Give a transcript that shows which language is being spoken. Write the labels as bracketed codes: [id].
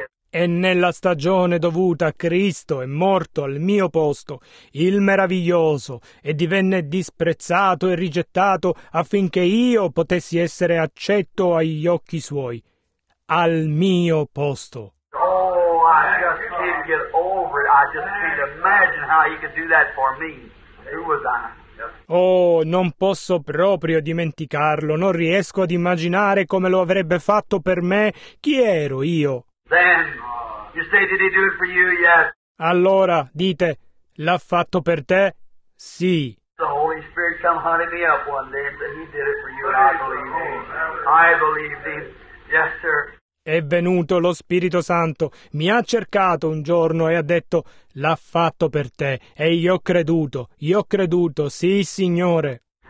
[it] E nella stagione dovuta a Cristo è morto al mio posto, il meraviglioso, e divenne disprezzato e rigettato affinché io potessi essere accetto agli occhi suoi, al mio posto. [en] Oh, I just can't get over it. I just can't imagine how he could do that for me. Who was I? [it] Oh, non posso proprio dimenticarlo, non riesco ad immaginare come lo avrebbe fatto per me. Chi ero io? [en] Then, you say, did he do it for you? Yes. [it] Allora, dite, l'ha fatto per te? Sì. [en] The Holy Spirit come hunting me up one day and said, he did it for you, and I believed him. Yes, sir. [it] È venuto lo Spirito Santo, mi ha cercato un giorno e ha detto, l'ha fatto per te, e io ho creduto, sì Signore.